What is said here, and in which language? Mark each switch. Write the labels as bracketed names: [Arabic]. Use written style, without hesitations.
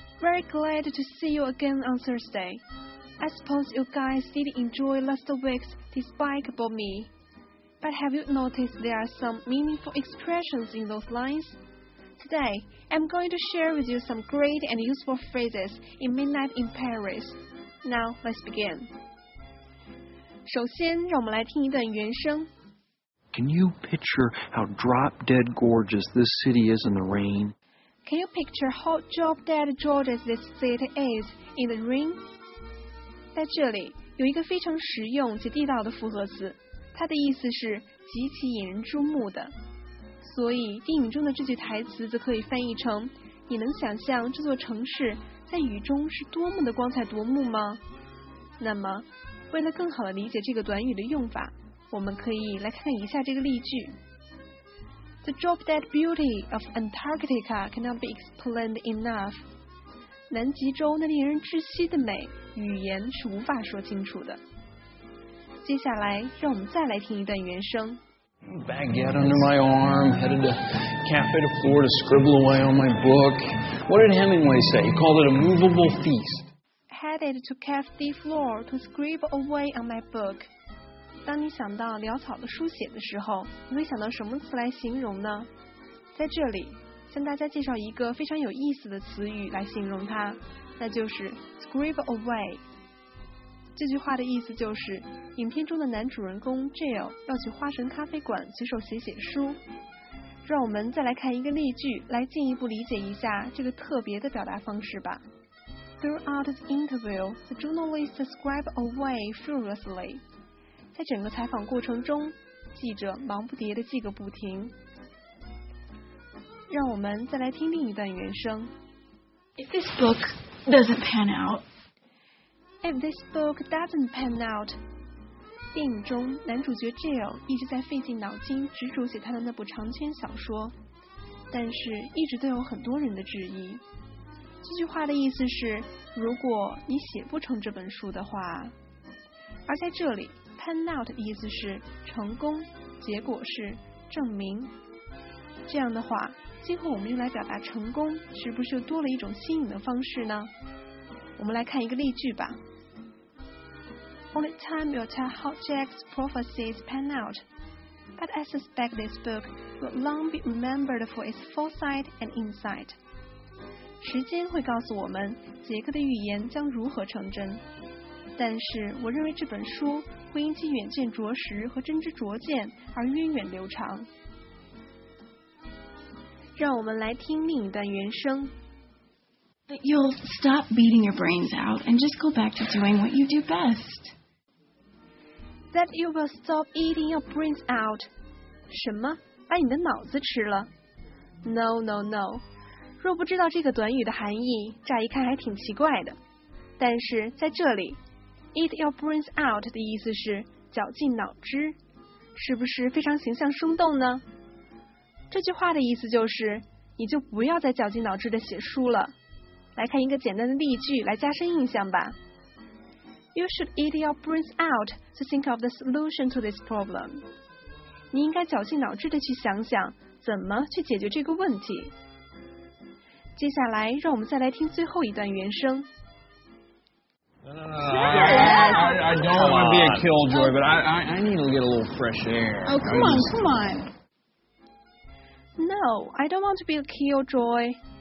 [English] Very glad to see you again on Thursday. I suppose you guys did enjoy last week's Despicable Me. But have you noticed there are some meaningful expressions in those lines? Today, I'm going to share with you some great and useful phrases in Midnight in Paris. Now, let's begin. [Chinese] 首先，让我们来听一段原声。 [English] Can you picture how drop-dead gorgeous this city is in the rain? Can you picture how drop-dead gorgeous this city is in the rain? [Chinese] 在这里，有一个非常实用且地道的复合词，它的意思是极其引人注目的。所以电影中的这句台词则可以翻译成你能想象这座城市在雨中是多么的光彩夺目吗？那么为了更好地理解这个短语的用法，我们可以来看看以下这个例句。 [English] The drop dead beauty of Antarctica cannot be explained enough. [Chinese] 南极洲那令人窒息的美，语言是无法说清楚的。接下来让我们再来听一段原声。 [English] Baguette under my arm, headed to Cafe de Four to scribble away on my book. What did Hemingway say? He called it a movable feast. Headed to Cafe de Four to scribble away on my book. [Chinese] 当你想到潦草的书写的时候，你会想到什么词来形容呢？在这里，向大家介绍一个非常有意思的词语来形容它，那就是 scribble away。这句话的意思就是，影片中的男主人公 Jill 要去花神咖啡馆随手写写书。让我们再来看一个例句，来进一步理解一下这个特别的表达方式吧。 [English] Throughout the interview, the journalist scribbled away furiously. [Chinese] 在整个采访过程中，记者忙不迭地记个不停。让我们再来听另一段原声。 [English] If this book doesn't pan out, If this book doesn't pan out, [Chinese] 电影中男主角 Jill 一直在费尽脑筋执着写他的那部长篇小说，但是一直都有很多人的质疑。这句话的意思是，如果你写不成这本书的话。而在这里 ，pan out 的意思是成功，结果是证明。这样的话，今后我们用来表达成功，是不是又多了一种新颖的方式呢？我们来看一个例句吧。 [English] Only time will tell how Jack's prophecies pan out, but I suspect this book will long be remembered for its foresight and insight. [Chinese] 时间会告诉我们杰克的预言将如何成真，但是我认为这本书会因其远见卓识和真知灼见而源远流长。让我们来听另一段原声。 [English] But you'll stop beating your brains out and just go back to doing what you do best. That you will stop eating your brains out. [Chinese] 什么？把你的脑子吃了？ [English] No, no, no. [Chinese] 若不知道这个短语的含义，乍一看还挺奇怪的。但是在这里 ，eat your brains out 的意思是绞尽脑汁，是不是非常形象生动呢？这句话的意思就是，你就不要再绞尽脑汁的写书了。来看一个简单的例句来加深印象吧。 [English] You should eat your brains out to think of the solution to this problem. [Chinese] 你应该绞尽脑汁地去想想怎么去解决这个问题。接下来让我们再来听最后一段原声。 [English] I don't want to be a killjoy, but I need to get a little fresh air. Oh, come on, come on. No, I don't want to be a killjoy.